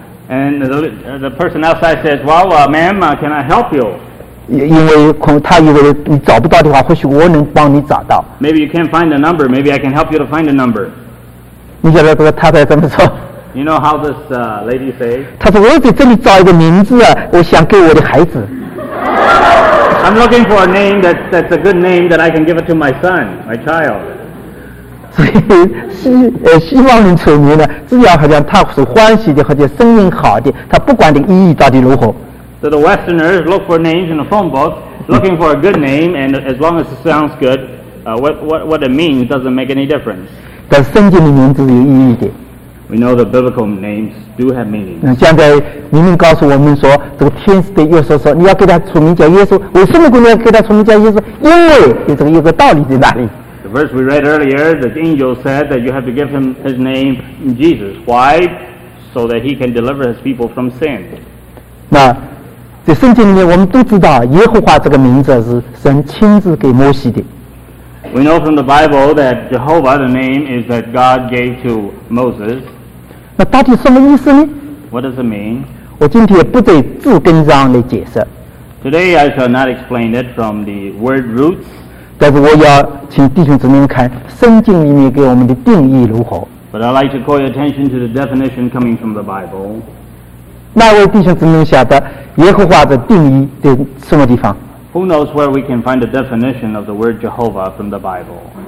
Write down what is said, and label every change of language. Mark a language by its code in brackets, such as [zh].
[en] And the person outside says, well, ma'am, can I help you? [zh] 因为他以为你找不到的话，或许我能帮你找到。 [en] Maybe you can't find the number. Maybe I can help you to find the number. [zh] 你晓得这个太太怎么说？ [en] You know how this lady say? [zh] 她说我在这里找一个名字啊，我想给我的孩子。 [en] I'm looking for a name that's a good name that I can give it to my son, my child. [zh] 所以西方人取名呢，只要好像他是欢喜的，或者声音好的，他不管的意义到底如何。 [en] So the Westerners look for names in the phone book, looking for a good name, and as long as it sounds good, what it means doesn't make any difference. [zh] 但圣经的名字是有意义的。 [en] We know the biblical names do have meanings. [zh] 现在明明告诉我们说，这个天使对耶稣说，你要给他取名叫耶稣。为什么要给他取名叫耶稣？因为有这个有个道理在哪里。 [en] The verse we read earlier, the angel said that you have to give him his name, Jesus. Why? so that he can deliver his people from sin. [zh] 那在圣经里面我们都知道耶和华这个名字是神亲自给摩西的。 [en] We know from the Bible that Jehovah, the name is that God gave to Moses. [zh] 那到底什么意思呢？ [en] What does it mean? [zh] 我今天不在字根上来解释。 [en] Today I shall not explain it from the word roots. [zh] 但是我要请弟兄姊妹看圣经里面给我们的定义如何。 [en] But I'd like to call your attention to the definition coming from the Bible. [zh] 那位弟兄姊妹晓得耶和华的定义在什么地方？ [en] Who knows where we can find the definition of the word Jehovah from the Bible?